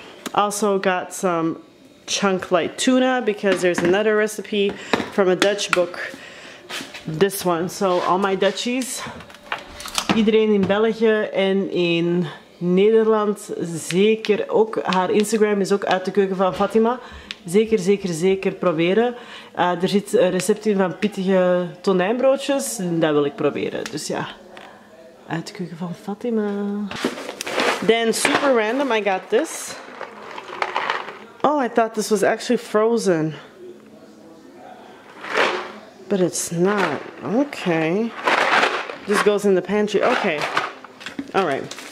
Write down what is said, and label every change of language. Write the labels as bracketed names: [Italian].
[English] Also got some chunk light tuna because there's another recipe from a Dutch book. This one. So all my Dutchies, [Dutch] iedereen in België en in Nederland, zeker ook. Haar Instagram is ook uit de keuken van Fatima. Zeker, zeker, zeker proberen. Er zit een recept in van pittige tonijnbroodjes. En dat wil ik proberen. Dus ja, uit de keuken van Fatima. [English] Then, super random, I got this. Oh, I thought this was actually frozen. But it's not. Okay. This goes in the pantry. Okay. Alright.